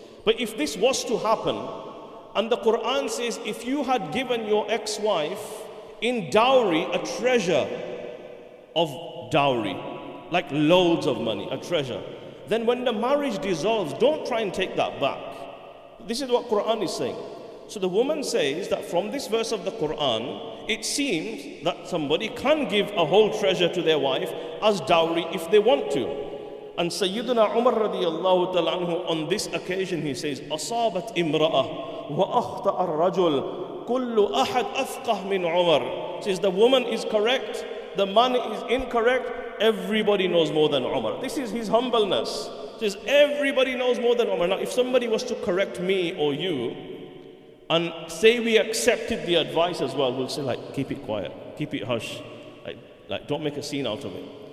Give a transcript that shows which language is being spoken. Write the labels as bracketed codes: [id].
[en] But if this was to happen, and the Quran says, if you had given your ex-wife in dowry a treasure of dowry, like loads of money, a treasure, then when the marriage dissolves, don't try and take that back. This is what Quran is saying. So the woman says that from this verse of the Quran, it seems that somebody can give a whole treasure to their wife as dowry if they want to. And Sayyidina Umar radiallahu ta'ala anhu, on this occasion, he says, [ar] أصابت إمرأة وأخطأ الرجل كل أحد أفقه من عمر. [en] Says the woman is correct, the man is incorrect, everybody knows more than Umar. This is his humbleness. Says everybody knows more than Umar. Now if somebody was to correct me or you and say we accepted the advice as well, we'll say like, keep it quiet, keep it hush, like don't make a scene out of it.